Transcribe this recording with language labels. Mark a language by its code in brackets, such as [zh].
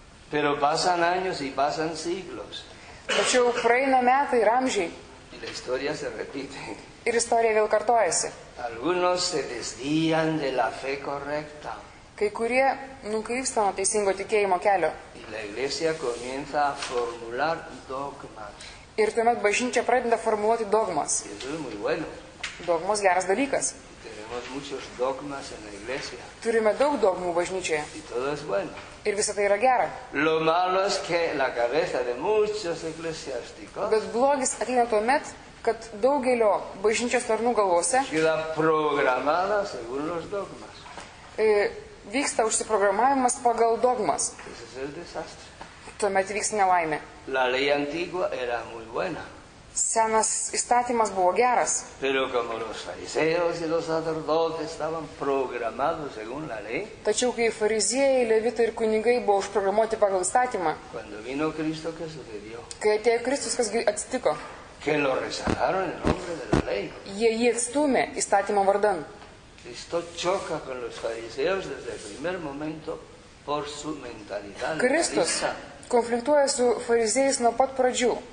[es] Pero pasan años y pasan siglos. [lt] Tačiau praeina metai ir amžiai. [es] Y la historia se repite. [lt] Ir istorija vėl kartojasi. [es] Algunos se desvían de la fe correcta. [lt] Kai kurie nukrypsta nuo teisingo tikėjimo kelio. [es] Y la iglesia comienza a formular dogmas. [lt] Ir tuomet bažnyčia pradeda formuluoti dogmas. [es] Y eso es muy bueno. [lt] Dogmas geras dalykas. [es] Tenemos muchos dogmas en la iglesia. [lt] Turime daug dogmų bažnyčioje. [es] Y todo es bueno. [lt] Ir visa tai yra gera. [es] Lo malo es que la cabeza de muchos eclesiásticos. [lt] Bet blogis ateina tuomet, kad daugelio bažnyčios tarnų galvose yra [es] programada según los dogmas. [lt] Vyksta užsiprogramavimas pagal dogmas. [es] Es el desastre. [lt] Tuomet vyksta nelaimė. [es] La ley antigua era muy buena. [lt] Senas įstatymas buvo geras. [es] Pero como los fariseos y los sacerdotes estaban programados según la ley. [lt] Tačiau kai fariziejai, levitai ir kunigai buvo užprogramuoti pagal įstatymą. [es] Cuando vino Cristo, ¿qué sucedió? [lt] Kai atėjo Kristus, kas atsitiko? [es] Que lo rechazaron en nombre de la ley. [lt] Jie jį atstūmė įstatymo vardan. [es] Cristo choca con los fariseos desde el primer momento por su mentalidad. [lt] Kristus konfliktuoja su fariziejais nuo pat pradžių.